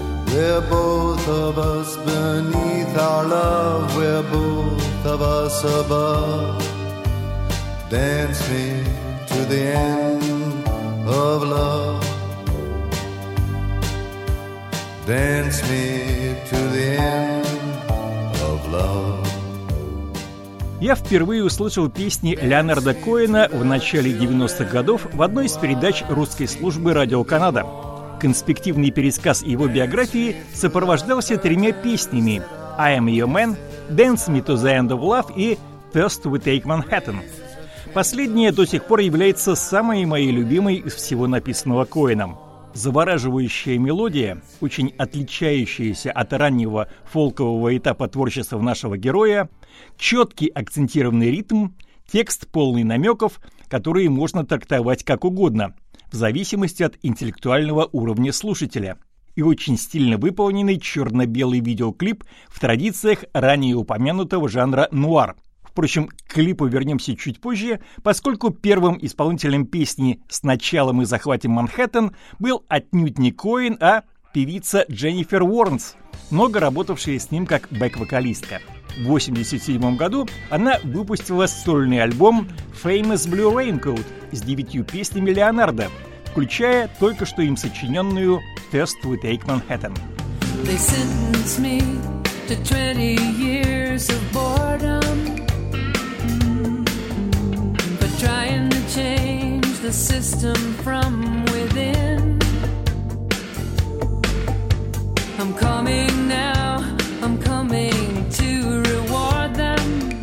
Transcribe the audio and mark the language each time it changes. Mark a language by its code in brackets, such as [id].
[en] We're both of us beneath our love, we're both of us above. Dance me to the end of love. Dance me to the end of love. [ru] Я впервые услышал песни Леонарда Коэна в начале 90-х годов в одной из передач русской службы «Радио Канада». Конспективный пересказ его биографии сопровождался тремя песнями «I am your man», «Dance me to the end of love» и «First we take Manhattan». Последняя до сих пор является самой моей любимой из всего написанного Коэном. Завораживающая мелодия, очень отличающаяся от раннего фолкового этапа творчества нашего героя, четкий акцентированный ритм, текст полный намеков, которые можно трактовать как угодно, в зависимости от интеллектуального уровня слушателя, и очень стильно выполненный черно-белый видеоклип в традициях ранее упомянутого жанра нуар. Впрочем, к клипу вернемся чуть позже, поскольку первым исполнителем песни «Сначала мы захватим Манхэттен» был отнюдь не Коэн, а певица Дженнифер Уорнс, много работавшая с ним как бэк-вокалистка. В 1987 году она выпустила сольный альбом «Famous Blue Raincoat» с 9 песнями Леонардо, включая только что им сочиненную «First We Take Manhattan». [en] They sentenced me to 20 years of boredom. Trying to change the system from within. I'm coming now, I'm coming to reward them.